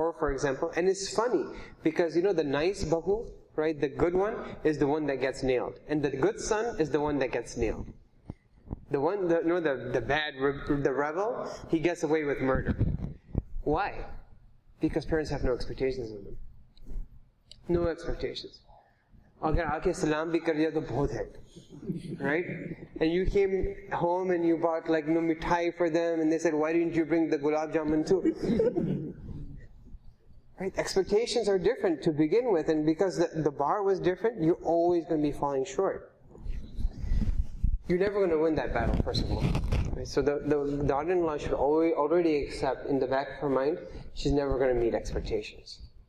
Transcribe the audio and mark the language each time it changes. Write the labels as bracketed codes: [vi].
[en] Or, for example, and it's funny, because, you know, the nice bahu, right, the good one, is the one that gets nailed. And the good son is the one that gets nailed. The one, the, you know, the bad, the rebel, he gets away with murder. Why? Because parents have no expectations of them. No expectations. [ur] اگر آکے سلام بھی کر دیا تو بہت ہے, right? [en] And you came home and you bought like no mithai for them, and they said, why didn't you bring the gulab jamun too? Right? Expectations are different to begin with, and because the bar was different, you're always going to be falling short. You're never going to win that battle, first of all. Right? So the daughter-in-law should already accept in the back of her mind, she's never going to meet expectations.